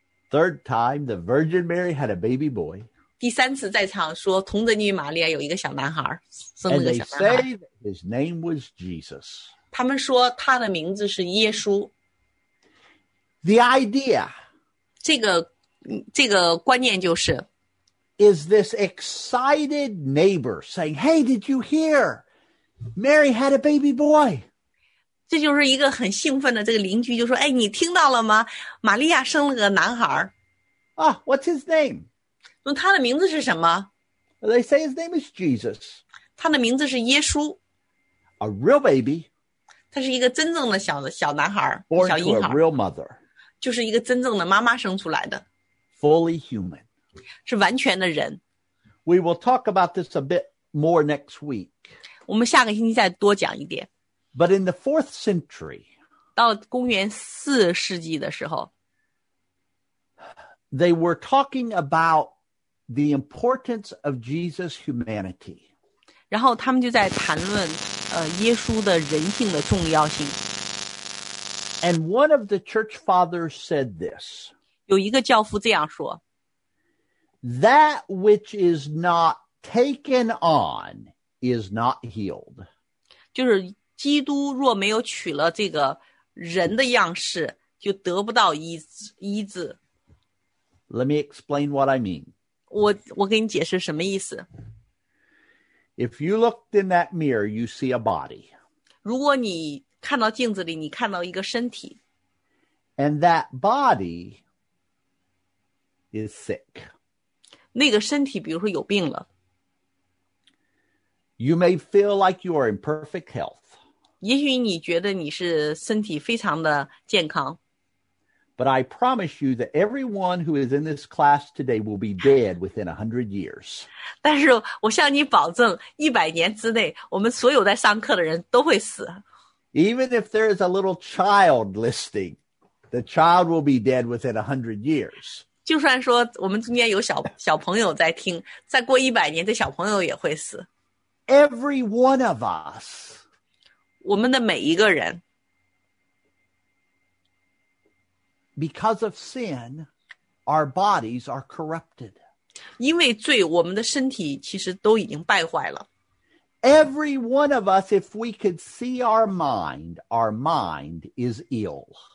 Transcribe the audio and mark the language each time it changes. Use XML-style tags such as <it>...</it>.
<en>Third time, the Virgin Mary had a baby boy.</en> <zh>第三次在场说童贞女玛利亚有一个小男孩生了个小男孩。</zh> <en>And they say that his name was Jesus.</en> <zh>他们说他的名字是耶稣。</zh> <en>The idea.</en> <zh>这个观念就是。</zh> <en>Is this excited neighbor saying, hey, did you hear? Mary had a baby boy.</en> <zh>这就是一个很兴奋的这个邻居就说哎你听到了吗玛利亚生了个男孩。</zh> <en>Oh, what's his name?</en> <zh>他的名字是什么</zh> <en>They say his name is Jesus.</en> <zh>他的名字是耶稣。</zh> <en>A real baby.</en> <zh>他是一个真正的 小男孩</zh> <en>Born</en> <zh>小婴孩</zh> <en>to a real mother.</en> <zh>就是一个真正的妈妈生出来的。</zh> <en>Fully human.</en> <zh>是完全的人。</zh> <en>We will talk about this a bit more next week.</en> <zh>我们下个星期再多讲一点。</zh> <en>But in the 4th century,</en> <zh>到公元四世纪的时候</zh> <en>they were talking aboutThe importance of Jesus' humanity.</en> <zh>然后他们就在谈论耶稣的人性的重要性。</zh> <en>And one of the church fathers said this.</en> <zh>有一个教父这样说。</zh> <en>That which is not taken on is not healed.</en> <zh>就是基督若没有取了这个人的样式就得不到医治。</zh> <en>Let me explain what I mean.</en> <zh>我给你解释什么意思。</zh> <en>If you looked in that mirror, you see a body.</en> <zh>如果你看到镜子里，你看到一个身体。</zh> <en>And that body is sick.</en> <zh>那个身体比如说有病了。</zh> <en>You may feel like you are in perfect health.</en> <zh>也许你觉得你是身体非常的健康。</zh> <en>But I promise you that everyone who is in this class today will be dead within 100 years.</en> <zh>但是我向你保证100年之内我们所有在上课的人都会死。</zh> <en>Even if there is a little child listening, the child will be dead within 100 years.</en> <zh>就算说我们中间有小朋友在听再过100年这小朋友也会死。</zh> <en>Every one of us.</en> <zh>我们的每一个人。</zh> <en>Because of sin, our bodies are corrupted.</en> <zh>因为罪，我们的身体其实都已经败坏了。</zh> <en>Every one of us, if we could see our mind is ill.</en>